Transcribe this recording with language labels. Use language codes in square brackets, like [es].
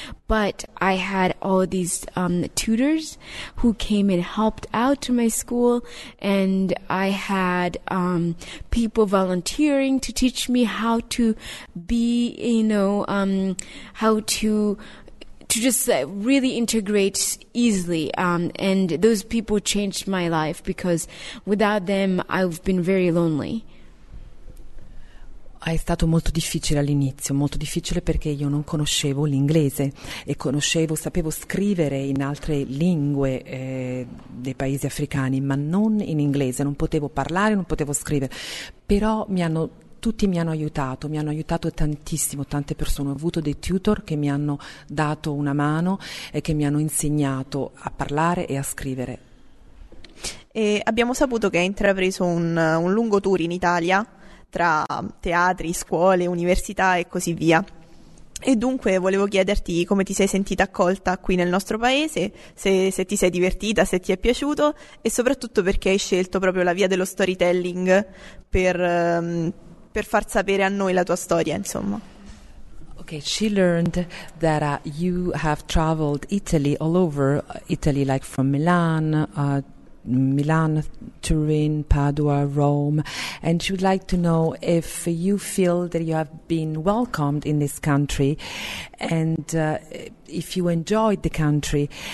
[en] But I had all these tutors who came and helped out to my school, and I had people volunteering to teach me how to be, you know, how to really integrate easily. And those people changed my life because without them, I've been very lonely. [it] È stato molto difficile all'inizio, molto difficile perché io non conoscevo l'inglese e sapevo scrivere in altre lingue dei paesi africani, ma non in inglese, non potevo parlare, non potevo scrivere, però mi hanno aiutato tantissimo, tante persone, ho avuto dei tutor che mi hanno dato una mano e che mi hanno insegnato a parlare e a scrivere. E abbiamo saputo che hai intrapreso un lungo tour in Italia, tra teatri, scuole, università e così via. E dunque volevo chiederti come ti sei sentita accolta qui nel nostro paese, se ti sei divertita, se ti è piaciuto e soprattutto perché hai scelto proprio la via dello storytelling per far sapere a noi la tua storia, insomma. [en] Okay, she learned that you have traveled Italy, all over Italy, like from Milan, Turin, Padua, Rome, and she would like to know if you feel that you have been welcomed in this country and if you enjoyed the country.